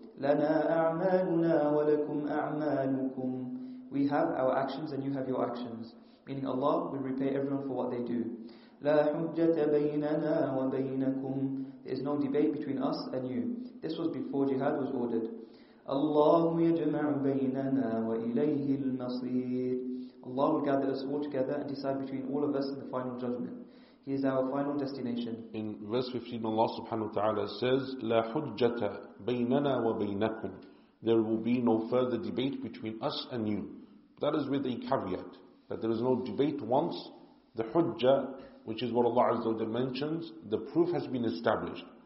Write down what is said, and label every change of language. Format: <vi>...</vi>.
<ar>لنا أعمالنا ولكم أعمالكم.</ar> <en>We have our actions and you have your actions. Meaning Allah, we repay everyone for what they do.</en> <ar>لا حجة بيننا وبينكم.</ar> <en>There is no debate between us and you. This was before jihad was ordered.</en> <ar>الله يجمع بيننا وإليه المصير.</ar> <en>Allah will gather us all together and decide between all of us in the final judgment. He is our final destination. In verse 15, Allah subhanahu wa ta'ala says,</en> <ar>لَا حُجَّةَ بَيْنَنَا وَبَيْنَكُمْ.</ar> <en>There will be no further debate between us and you. That is with a caveat, that there is no debate once the hujjah, which is what Allah Azza wa Jalla mentions, the proof has been established.</en>